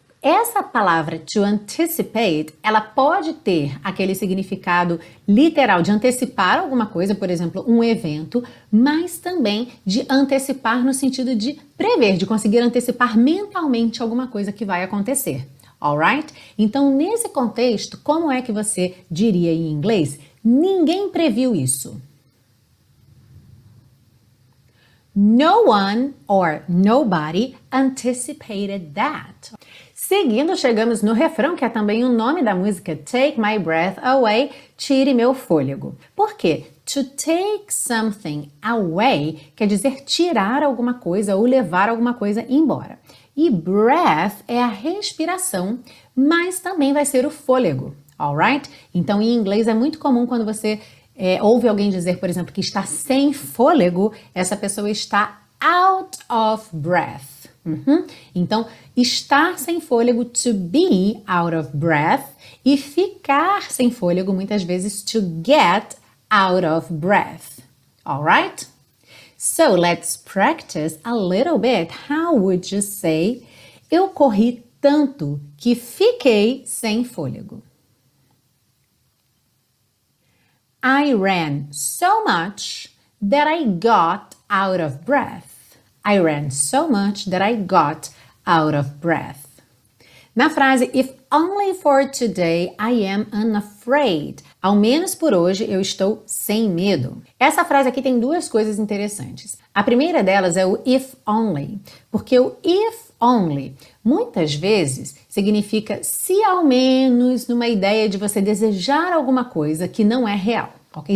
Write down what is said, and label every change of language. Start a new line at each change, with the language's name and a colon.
Portuguese: Essa palavra to anticipate, ela pode ter aquele significado literal de antecipar alguma coisa, por exemplo, um evento, mas também de antecipar no sentido de prever, de conseguir antecipar mentalmente alguma coisa que vai acontecer.
English: Alright?
Portuguese: Então, nesse contexto, como é que você diria em inglês? Ninguém previu isso.
English: No one or nobody anticipated that.
Portuguese: Seguindo, chegamos no refrão, que é também o nome da música Take My Breath Away, Tire Meu Fôlego. Por quê?
English: To take something away
Portuguese: quer dizer tirar alguma coisa ou levar alguma coisa embora. E breath é a respiração, mas também vai ser o fôlego, alright? Então, em inglês, é muito comum quando você ouve alguém dizer, por exemplo, que está sem fôlego, essa pessoa está
English: out of breath.
Portuguese: Uhum. Então, estar sem fôlego,
English: to be out of breath,
Portuguese: e ficar sem fôlego, muitas vezes,
English: to get out of breath.
Portuguese: Alright?
English: So, let's practice a little bit. How would you say,
Portuguese: eu corri tanto que fiquei sem fôlego?
English: I ran so much that I got out of breath. I ran so much that I got out of breath.
Portuguese: Na frase,
English: if only for today, I am unafraid.
Portuguese: Ao menos por hoje, eu estou sem medo. Essa frase aqui tem duas coisas interessantes. A primeira delas é o if only. Porque o if only, muitas vezes, significa se ao menos numa ideia de você desejar alguma coisa que não é real. Ok?